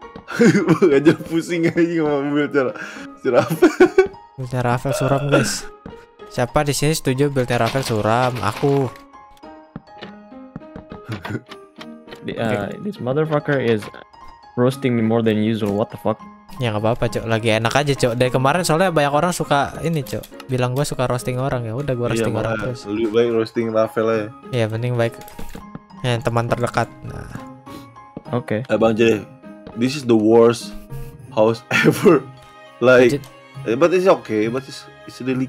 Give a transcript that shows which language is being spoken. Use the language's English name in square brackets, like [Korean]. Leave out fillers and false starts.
[Indonesian] Gak aja pusing aja ngomong build Terrafel. Build Terrafel suram, guys. Siapa di sini setuju build Terrafel suram? Aku. [English] This motherfucker is roasting me more than usual. What the fuck? [Indonesian] Ya enggak apa-apa, Cok. Lagi enak aja, Cok. Dari kemarin soalnya banyak orang suka ini, Cok. Bilang gua suka roasting orang, ya udah gua roasting orang terus. Lebih baik roasting Rafael aja. Iya, mending baik yang teman terdekat. Nah. Oke. Okay. [English] Bang Jay, this is the worst house ever. Like but it's okay, but it's really